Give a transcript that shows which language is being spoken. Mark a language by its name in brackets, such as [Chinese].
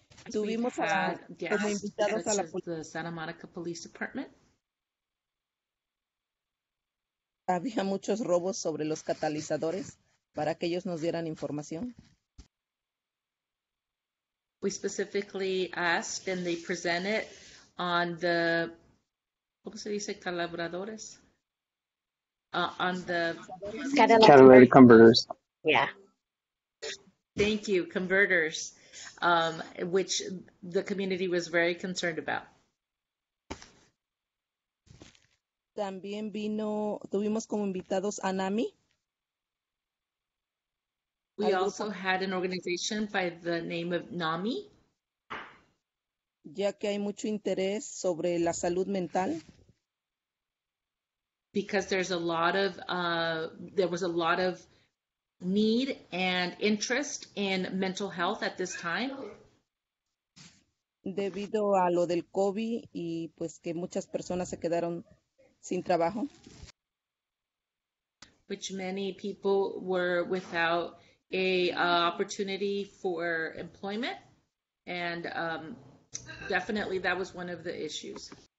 [Spanish] Tuvimos como invitados a la policía de Santa Monica Police Department. Había muchos robos sobre los catalizadores para que ellos nos dieran información. [English] We specifically asked and they presented on the, [Spanish] ¿cómo se dice? [English] Calabradores. On the catalytic converters. Yeah. Thank you, converters, which the community was very concerned about. [Spanish] También tuvimos como invitados a NAMI. [English] We also had an organization by the name of NAMI. [Spanish] Ya que hay mucho interés sobre la salud mental. [English] Because there was a lot of need and interest in mental health at this time. [Spanish] Debido a lo del COVID y pues que muchas personas se quedaron sin trabajo. [English] Which many people were without a opportunity for employment, and definitely that was one of the issues.